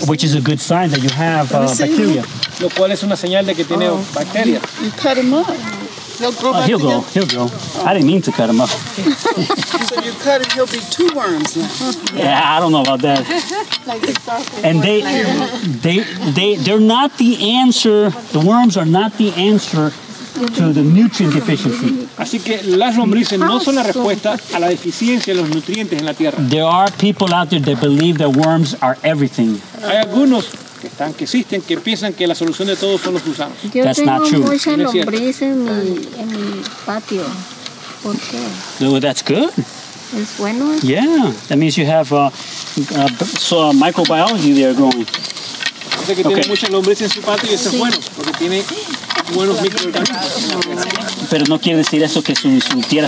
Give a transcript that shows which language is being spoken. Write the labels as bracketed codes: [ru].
[en] Which is a good sign that you have bacteria. [es] Lo cual es una señal de que tiene bacteria. [en] You cut them up. He'll grow. I didn't mean to cut him up. So you cut him, he'll be two worms now. Yeah, I don't know about that. And they're not the answer. The worms are not the answer to the nutrient deficiency. [es] Así que las lombrices no son la respuesta a la deficiencia de los nutrientes en la tierra. [en] There are people out there that believe that worms are everything. [es] Hay algunos que están, que existen, que piensan que la solución de todo son los gusanos. Yo [en] that's [es] tengo [en] not true. [es] Muchas lombrices en mi patio. ¿Por qué? [en] Well, that's good. [es] ¿Es bueno? [en] Yeah, that means you have a microbiology there growing. [es] Dice que okay. Tiene muchas lombrices en su patio y eso sí. Es bueno, porque tiene buenos microorganismos. Pero no quiere decir eso, que su tierra